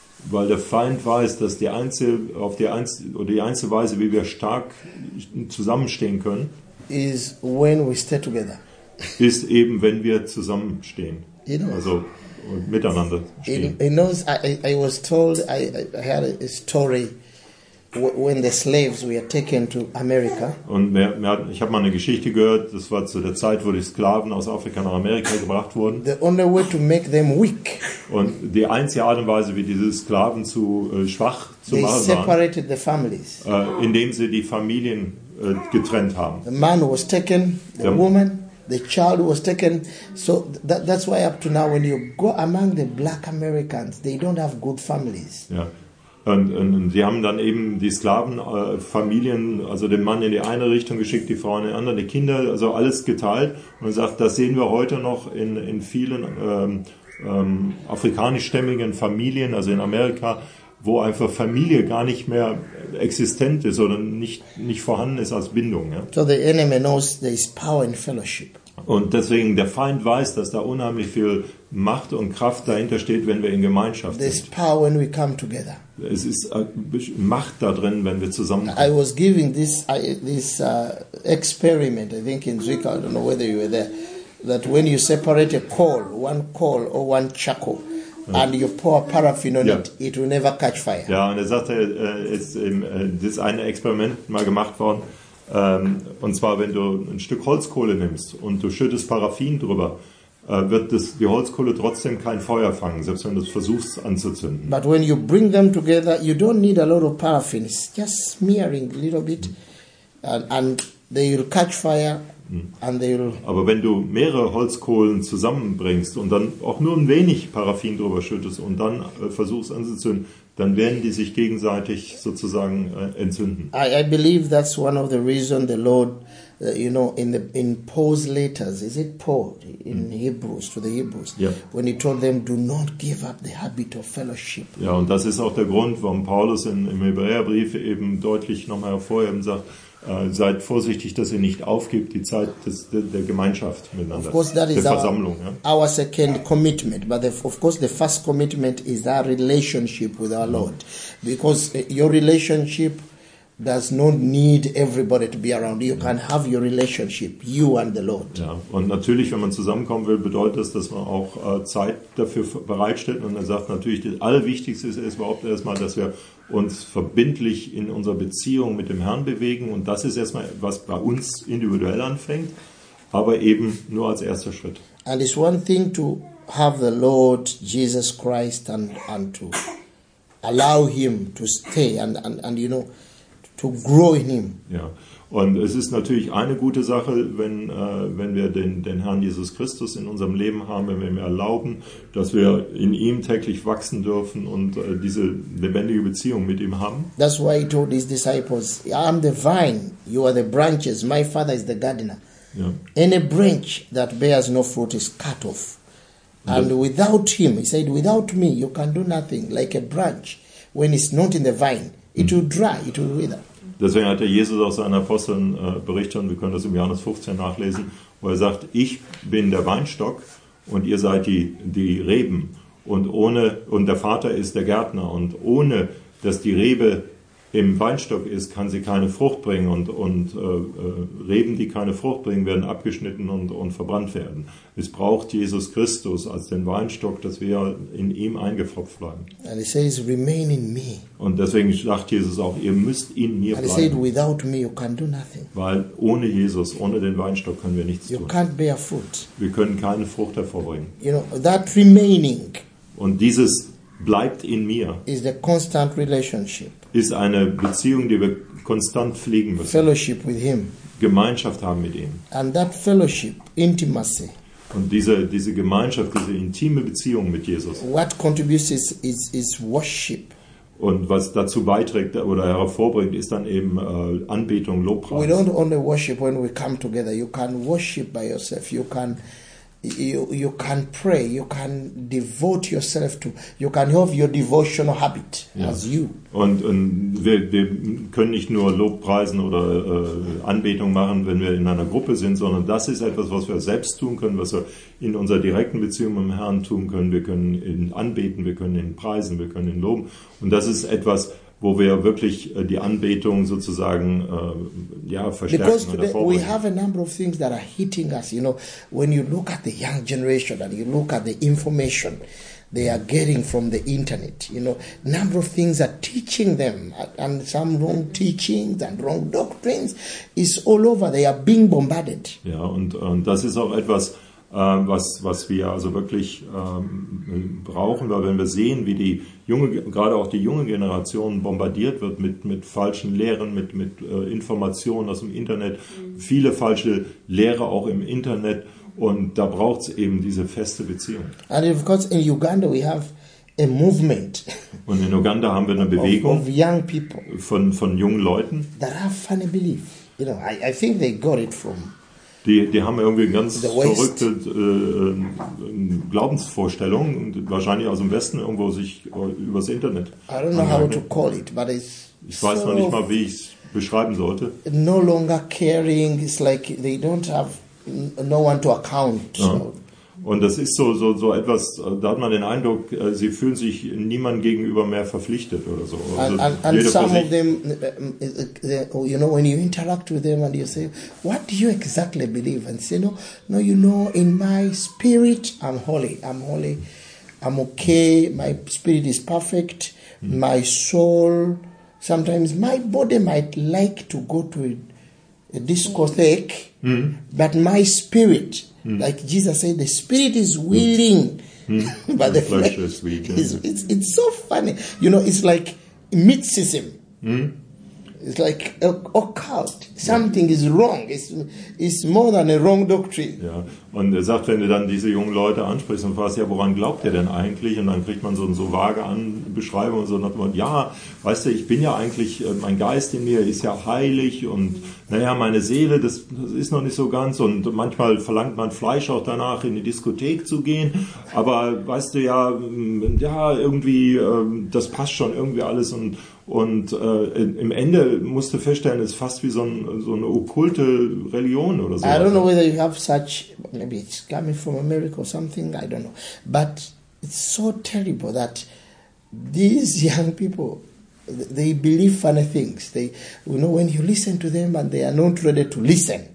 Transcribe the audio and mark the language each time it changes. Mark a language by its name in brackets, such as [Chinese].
[German] Weil der Feind weiß, dass die einzige Weise, wie wir stark zusammenstehen können, [English] is when we stay together. [German] Ist eben, wenn wir zusammenstehen. [English] You know, [German] also miteinander stehen. [English] You know, I was told, I had a story when the slaves were taken to America. [German] Und ich habe mal eine Geschichte gehört, das war zu der Zeit, wo die Sklaven aus Afrika nach Amerika gebracht wurden. [English] The only way to make them weak. [German] Und die einzige Art und Weise, wie diese Sklaven zu schwach zu [English] they [German] machen waren, [English] separated the families. [German] Indem sie die Familien getrennt haben. [English] The man was taken, the woman, The child was taken. So that's why up to now, when you go among the black Americans, they don't have good families. Yeah. [German] Und sie haben dann eben die Sklavenfamilien, also den Mann in die eine Richtung geschickt, die Frau in die andere, die Kinder, also alles geteilt. Und sagt, das sehen wir heute noch in vielen afrikanischstämmigen Familien, also in Amerika, wo einfach Familie gar nicht mehr existent ist oder nicht vorhanden ist als Bindung. Ja? [English] So the enemy knows there is power in fellowship. [German] Und deswegen, der Feind weiß, dass da unheimlich viel Macht und Kraft dahinter steht, wenn wir in Gemeinschaft [English] there's [German] sind. [English] Power when we come together. [German] Es ist Macht da drin, wenn wir zusammenkommen. [English] I was giving this experiment, I think in Zwickau, I don't know whether you were there, that when you separate a coal, one coal or one charcoal, and you pour paraffin on it, it will never catch fire. [German] Ja, und er sagte, das ist ein Experiment mal gemacht worden. Und zwar, wenn du ein Stück Holzkohle nimmst und du schüttest Paraffin drüber, wird die Holzkohle trotzdem kein Feuer fangen, selbst wenn du es versuchst anzuzünden. [English] But when you bring them together, you don't need a lot of paraffin. It's just smearing a little bit, and they will catch fire. [German] Aber wenn du mehrere Holzkohlen zusammenbringst und dann auch nur ein wenig Paraffin drüber schüttest und dann versuchst anzuzünden, dann werden die sich gegenseitig sozusagen entzünden. [English] I believe that's one of the reasons the Lord, you know, in Paul's letters, is it Paul in Hebrews to the Hebrews, when he told them, do not give up the habit of fellowship. [German] Ja, und das ist auch der Grund, warum Paulus im Hebräerbrief eben deutlich nochmal hervorheben sagt. Seid vorsichtig, dass ihr nicht aufgibt die Zeit der Gemeinschaft miteinander, [English] of course that [German] der [English] is [German] Versammlung. [English] Our second commitment, but of course the first commitment is our relationship with our Lord, because your relationship does not need everybody to be around. You can have your relationship, you and the Lord. [German] Ja, und natürlich, wenn man zusammenkommen will, bedeutet das, dass man auch Zeit dafür bereitstellt. Und er sagt natürlich, das Allerwichtigste ist überhaupt erstmal, dass wir uns verbindlich in unserer Beziehung mit dem Herrn bewegen. Und das ist erstmal, was bei uns individuell anfängt, aber eben nur als erster Schritt. [English] And it's one thing to have the Lord Jesus Christ and to allow him to stay and you know, to grow in him. [German] Ja, und es ist natürlich eine gute Sache, wenn wir den Herrn Jesus Christus in unserem Leben haben, wenn wir ihm erlauben, dass wir in ihm täglich wachsen dürfen und diese lebendige Beziehung mit ihm haben. [English] That's why he told his disciples, I am the vine, you are the branches, my father is the gardener. [German] Ja. [English] Any branch that bears no fruit is cut off. And without him, he said, without me, you can do nothing, like a branch, when it's not in the vine. It will dry, it will wither. [German] Deswegen hat der Jesus auch seinen Aposteln berichtet, und wir können das im Johannes 15 nachlesen, wo er sagt, ich bin der Weinstock und ihr seid die Reben. Und der Vater ist der Gärtner. Und ohne, dass die Rebe im Weinstock ist, kann sie keine Frucht bringen. Und Reben, die keine Frucht bringen, werden abgeschnitten und verbrannt werden. Es braucht Jesus Christus als den Weinstock, dass wir in ihm eingepfropft bleiben. [English] And he says, remain in me. [German] Und deswegen sagt Jesus auch, ihr müsst in mir [English] and [German] bleiben. [English] He said, without me you can do nothing. [German] Weil ohne Jesus, ohne den Weinstock, können wir nichts [English] you [German] tun. [English] Can't bear fruit. [German] Wir können keine Frucht hervorbringen. [English] You know, that remaining [German] und dieses bleibt in mir [English] is the constant relationship. [German] Ist eine Beziehung, die wir konstant pflegen müssen. [English] Fellowship with him. [German] Gemeinschaft haben mit ihm. [English] And that fellowship, intimacy. [German] Und diese Gemeinschaft, diese intime Beziehung mit Jesus. [English] What contributes is worship. [German] Und was dazu beiträgt oder hervorbringt, ist dann eben Anbetung, Lobpreis. [English] We don't only worship when we come together. You can worship by yourself. You can pray. You can devote yourself to. You can have your devotional habit as you. [German] Und wir können nicht nur Lobpreisen oder Anbetung machen, wenn wir in einer Gruppe sind, sondern das ist etwas, was wir selbst tun können, was wir in unserer direkten Beziehung mit dem Herrn tun können. Wir können ihn anbeten, wir können ihn preisen, wir können ihn loben. Und das ist etwas, wo wir wirklich die Anbetung sozusagen verstärken oder vorbringen. [English] Because we have a number of things that are hitting us, you know, when you look at the young generation and you look at the information they are getting from the internet, you know, number of things are teaching them and some wrong teachings and wrong doctrines is all over. They are being bombarded. [German] Ja, und das ist auch etwas, was wir also wirklich brauchen, weil wenn wir sehen, wie die junge, gerade auch die junge Generation bombardiert wird mit falschen Lehren, mit Informationen aus dem Internet, viele falsche Lehre auch im Internet, und da braucht es eben diese feste Beziehung. [English] And of course in Uganda we have a movement. [German] Und in Uganda haben wir eine Bewegung [English] of young people [German] von jungen Leuten. [English] That have funny belief. You know, I think they got it from. [German] Die haben irgendwie ganz verrückte Glaubensvorstellungen und wahrscheinlich aus dem Westen irgendwo sich übers Internet. [English] I don't know how to call it, but it's [German] ich weiß noch nicht mal, wie ich es beschreiben sollte. [English] No longer caring, it's like they don't have no one to account. [German] Ja. Und das ist so etwas, da hat man den Eindruck, sie fühlen sich niemandem gegenüber mehr verpflichtet oder so. [English] And some of them, you know, when you interact with them and you say, what do you exactly believe? And say, no, you know, in my spirit, I'm holy, I'm okay, my spirit is perfect, my soul, sometimes my body might like to go to a discotheque, but my spirit... Like Jesus said, the spirit is willing, but the flesh is weak. It's so funny. You know, it's like mysticism. It's like occult. Something is wrong. It's more than a wrong doctrine. [German] Ja, und er sagt, wenn du dann diese jungen Leute ansprichst und fragst, ja, woran glaubt ihr denn eigentlich? Und dann kriegt man so vage Beschreibung und so. Und dann, ja, weißt du, ich bin ja eigentlich, mein Geist in mir ist ja heilig und naja, meine Seele, das ist noch nicht so ganz. Und manchmal verlangt man Fleisch auch danach, in die Diskothek zu gehen. Aber weißt du ja, irgendwie, das passt schon irgendwie alles. Und im Ende musst du feststellen, es ist fast wie so eine okkulte Religion oder so. [English] I don't know whether you have such, maybe it's coming from America or something, I don't know. But it's so terrible that these young people, they believe funny things. They, you know, when you listen to them and they are not ready to listen.